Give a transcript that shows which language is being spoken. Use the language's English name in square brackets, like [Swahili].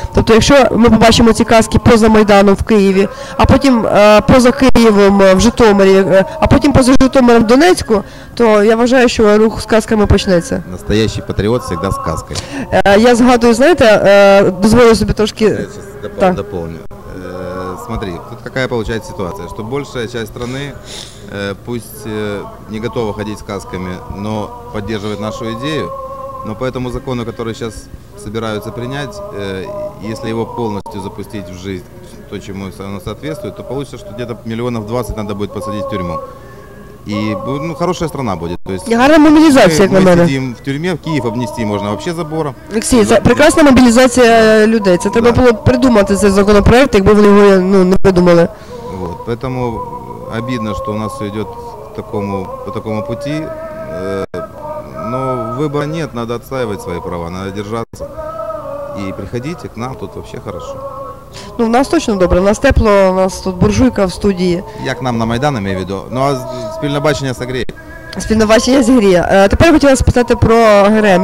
[Ukrainian] Тобто, якщо ми побачимо ці каски поза Майданом в Києві, а потім поза Києвом в Житомирі, а потім поза Житомиром в Донецьку, то я вважаю, що рух з касками почнеться. [Russian] Настоящий [Ukrainian] патріот завжди з каскою. Я згадую, знаєте, дозволю собі трошки... Зараз доповню. [Russian] Смотри, тут какая получается ситуация, что большая часть страны, пусть не готова ходить с касками, но поддерживает нашу идею, но по этому закону, который сейчас собираются принять, если его полностью запустить в жизнь, то, чему оно соответствует, то получится, что где-то 20 миллионов надо будет посадить в тюрьму. И ну, хорошая страна будет. То есть, [Ukrainian] гарна мобілізація, як на мене. Ми сидим в тюрьмі, в Київ обнести можна взагалі забором. Олексій, це прекрасна мобілізація людей. Це треба було придумати цей законопроект, якби вони його не придумали. Вот. [Russian] Поэтому обидно, что у нас все идет по такому пути. Но выбора нет, надо отстаивать свои права, надо держаться. И приходите к нам, тут вообще хорошо. [Ukrainian] Ну, в нас точно добре, в нас тепло, у нас тут буржуйка в студії. Як нам на Майдані, маю в виду. Ну, а спільне бачення зігріє. Спільне бачення зігріє. Тепер я хотіла спитати про ГРМ.